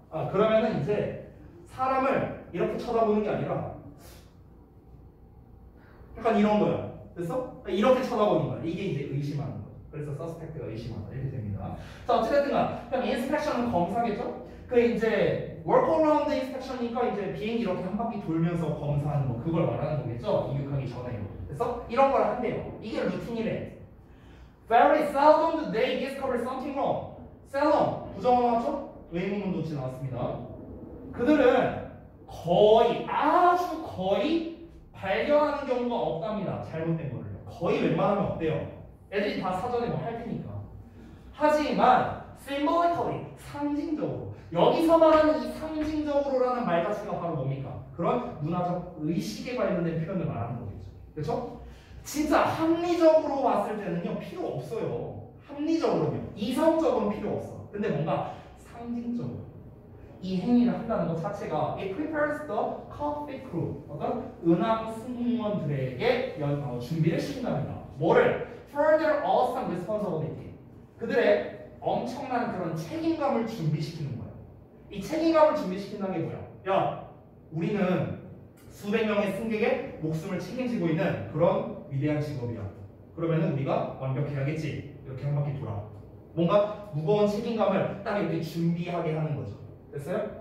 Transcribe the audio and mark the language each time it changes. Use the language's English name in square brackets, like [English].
[Korean] 아, 그러면은 이제 사람을 이렇게 쳐다보는 게 아니라 약간 이런 거야. 됐어? 이렇게 쳐다보는 거야. 이게 이제 의심하는 거야. 그래서 서스펙트가 의심하다. 이렇게 됩니다. 자, 어쨌든 간, 그럼 인스펙션은 검사겠죠? 그 이제 workaround inspection이니까 이제 비행기 이렇게 한 바퀴 돌면서 검사하는 거 그걸 말하는 거겠죠? 이륙하기 전에 이거. 그래서 이런 걸 한대요. 이게 루틴이래. [English] Very seldom do they discover something wrong. [Korean] Seldom 부정어 맞죠? 의문문 도치 나왔습니다. 그들은 거의 아주 거의 발견하는 경우가 없답니다. 잘못된 거를요. 거의 웬만하면 없대요. 애들이 다 사전에 뭐 할 테니까. 하지만 symbolically 상징적으로 여기서 말하는 이 상징적으로라는 말 자체가 바로 뭡니까? 그런 문화적 의식에 관련된 표현을 말하는 거겠죠. 그렇죠? 진짜 합리적으로 봤을 때는요 필요 없어요. 합리적으로는요 이성적으로는 필요 없어. 근데 뭔가 상징적으로 이 행위를 한다는 것 자체가 it prepares the cockpit crew 어떤 은항 승무원들에게 준비를 시킨답니다. 뭐를? [English] For their awesome responsibility. [Korean] 그들의 엄청난 그런 책임감을 준비시키는 거예요. 이 책임감을 준비시킨다는 게 뭐야? 야, 우리는 수백 명의 승객의 목숨을 책임지고 있는 그런 위대한 직업이야. 그러면은 우리가 완벽해야겠지. 이렇게 한 바퀴 돌아. 뭔가 무거운 책임감을 딱 이렇게 준비하게 하는 거죠. 됐어요?